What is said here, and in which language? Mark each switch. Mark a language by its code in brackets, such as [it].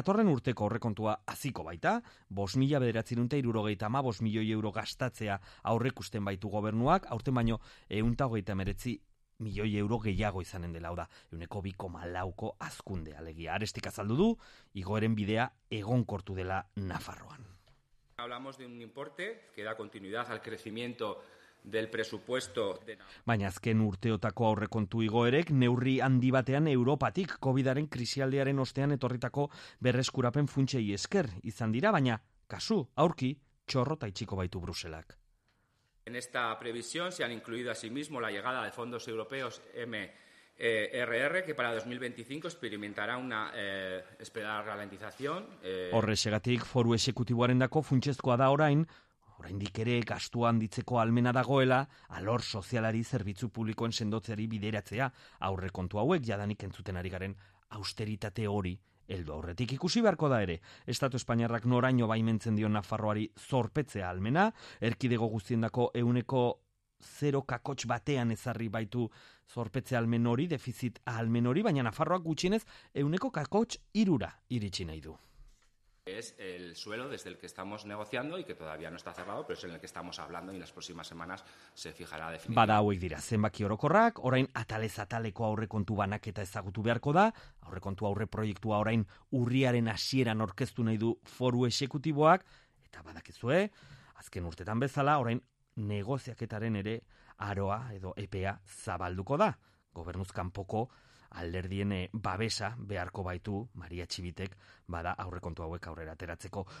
[eu] Datorren urteko aurrekontua hasi baita, 5.975 milioi euro gastatzea aurrekusten baitu gobernuak, aurten baino 129 milioi euro gehiago izanen dela, da 102,4 azkunde alegia. Arestik azaldu du, igoeren bidea egonkortu dela Nafarroan. [es] Hablamos de un importe que da continuidad al crecimiento del presupuesto de... [eu] Baina azken urteotako aurrekontu igoerek neurri handi batean Europatik COVIDaren krisialdiaren ostean etorritako berreskurapen funtsei esker izan dira, baina kasu aurki txorrota itxiko baitu Bruselak. [es] En esta previsión se han incluido asimismo la llegada de fondos europeos MRR que para 2025 experimentará una esperada ralentización. [eu] Horrexegatik Foru Exekutiboarendako funtsezkoa da orain oraindik ere gastu handitzeko almena dagoela, alor sozialari zerbitzu publikoen sendotzeari bideratzea, aurrekontu hauek jadanik entzuten ari garen austeritate hori heldu aurretik. Ikusi beharko da ere, Estatu Espainiarrak noraino baimentzen dio Nafarroari zorpetzea almena, erkidego guztiendako 0,1% ezarri baitu zorpetze almen hori, defizit almen hori, baina Nafarroak gutxienez 0,3% iritsi nahi du. [es] Es el suelo desde el que estamos negociando y que todavía no está cerrado, pero es en el que estamos hablando y en las próximas semanas se fijará definitivamente. [eu] Bada hauek dira, zenbaki orokorrak, orain atalez ataleko aurrekontu banaketa ezagutu beharko da, aurrekontu aurre proiektua orain urriaren hasieran aurkeztu nahi du Foru Exekutiboak, eta badakizue, azken urtetan bezala, orain negoziaketaren ere aroa edo EPEA zabalduko da, gobernuzkanpoko alderdien babesa beharko baitu Maria Txibitek bada aurrekontu hauek aurrera ateratzeko.